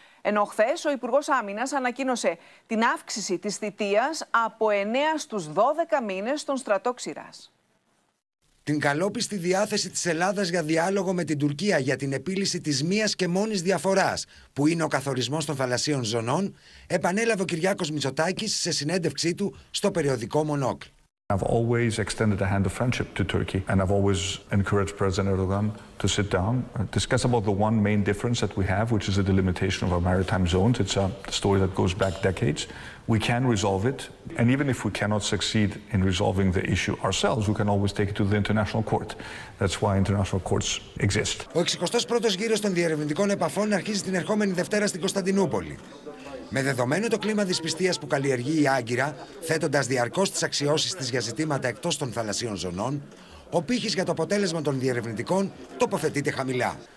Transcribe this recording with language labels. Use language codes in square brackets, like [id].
[el] Ενώ χθες ο Υπουργός Άμυνας ανακοίνωσε την αύξηση της θητείας από 9 στους 12 μήνες στον στρατό Ξηράς. Την καλόπιστη διάθεση της Ελλάδας για διάλογο με την Τουρκία για την επίλυση της μίας και μόνης διαφοράς, που είναι ο καθορισμός των θαλασσίων ζωνών, επανέλαβε ο Κυριάκος Μητσοτάκης σε συνέντευξή του στο περιοδικό Μονόκλ. [en] I've always extended a hand of friendship to Turkey, and I've always encouraged President Erdogan to sit down, discuss about the one main difference that we have, which is the delimitation of our maritime zones. It's a story that goes back decades. We can resolve it, and even if we cannot succeed in resolving the issue ourselves, we can always take it to the international court. That's why international courts exist. [el] Ο 61ος γύρος των διερευνητικών επαφών αρχίζει την ερχόμενη Δευτέρα στην Κωνσταντινούπολη. Με δεδομένο το κλίμα δυσπιστίας που καλλιεργεί η Άγκυρα, θέτοντας διαρκώς τις αξιώσεις της για ζητήματα εκτός των θαλασσίων ζωνών, ο πήχης για το αποτέλεσμα των διερευνητικών τοποθετείται χαμηλά.